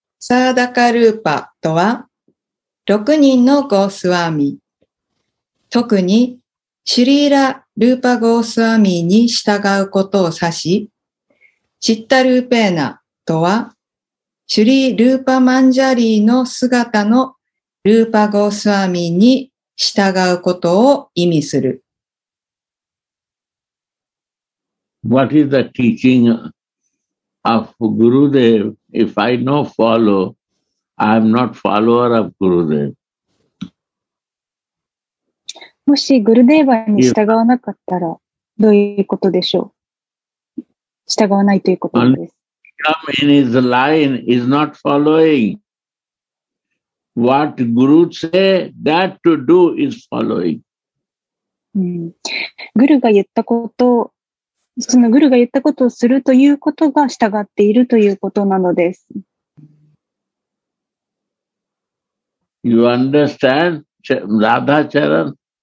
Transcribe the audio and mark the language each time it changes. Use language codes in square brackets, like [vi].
[ja] サーダカルーパとは6人のゴースワーミー、特にシュリーラ・ルーパ・ゴースワーミーに従うことを指し、チッタ・ルーペーナとはシュリー・ルーパ・マンジャリーの姿のルーパ・ゴースワーミーに従うことを意味する。 [en] What is the teaching of Gurudev? If I no follow, I'm not follower of Gurudev. [ja] もしグルデーバーに従わなかったらどういうことでしょう。従わないということです。 [en] Come in his line is not following. What Guru say that to do is following. [ja] グルが言ったこと、そのグルが言ったことをするということが従っているということなのです。 [en] You understand, Radha Charan?